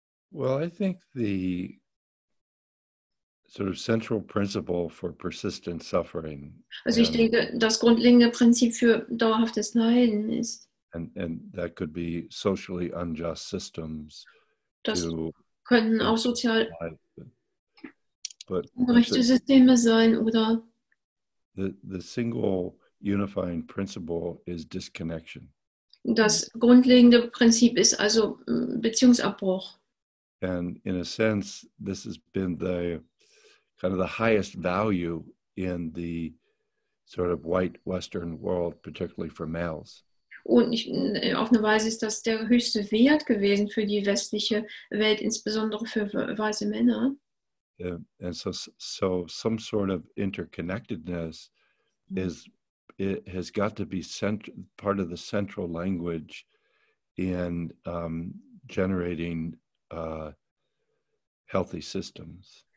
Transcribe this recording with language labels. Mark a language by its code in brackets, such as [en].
[en] Well, I think the sort of central principle for persistent suffering. [de] Also ich denke, das grundlegende Prinzip für dauerhaftes Leiden ist. [en] And that could be socially unjust systems. [de] Das könnten auch sozial ungerechte Systeme sein oder. [en] The single unifying principle is disconnection. [de] Das grundlegende Prinzip ist also Beziehungsabbruch. [en] And in a sense, this has been the kind of the highest value in the sort of white Western world, particularly for males. [de] Und auf eine Weise ist das der höchste Wert gewesen für die westliche Welt, insbesondere für weiße Männer. [en] And so some sort of interconnectedness is it has got to be part of the central language in generating healthy systems.